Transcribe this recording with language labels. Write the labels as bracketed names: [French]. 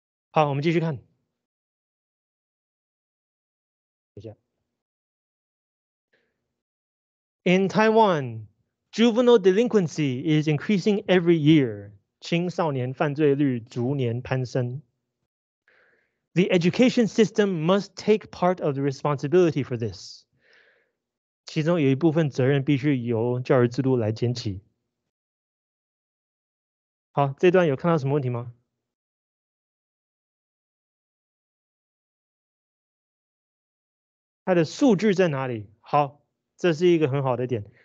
[Chinese] 好，我们继续看。 [English] In Taiwan, juvenile delinquency is increasing every year. [Chinese] 青少年犯罪率逐年攀升。 [English] The education system must take part of the responsibility for this. [Chinese] 其中有一部分责任必须由教育制度来肩起。好，这段有看到什么问题吗？它的数据在哪里？好，这是一个很好的点。